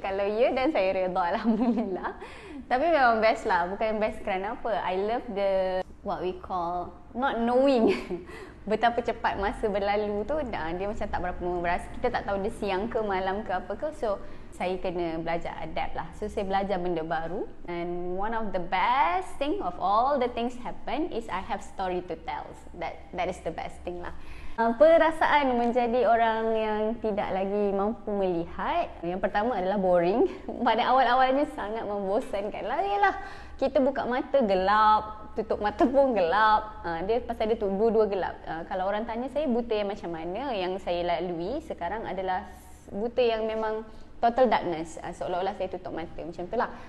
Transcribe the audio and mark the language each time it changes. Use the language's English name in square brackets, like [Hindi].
[Malay] Kalau ya, dan saya redha, alhamdulillah. Tapi memang best lah, bukan best kerana apa. [English] I love the what we call not knowing [Malay] betapa cepat masa berlalu tu. Dia macam tak berapa berasa, kita tak tahu dia siang ke malam ke apa ke. So saya kena belajar adapt lah. So saya belajar benda baru. [English] And one of the best thing of all the things happen is I have story to tell. That is the best thing lah. [Malay] Perasaan menjadi orang yang tidak lagi mampu melihat, yang pertama adalah boring. Pada awal-awalnya sangat membosankan lah. Yalah, kita buka mata gelap, tutup mata pun gelap. Dia pasal dia dua-dua gelap. Kalau orang tanya saya buta yang macam mana, yang saya lalui sekarang adalah buta yang memang total darkness, seolah-olah saya tutup mata macam tu lah.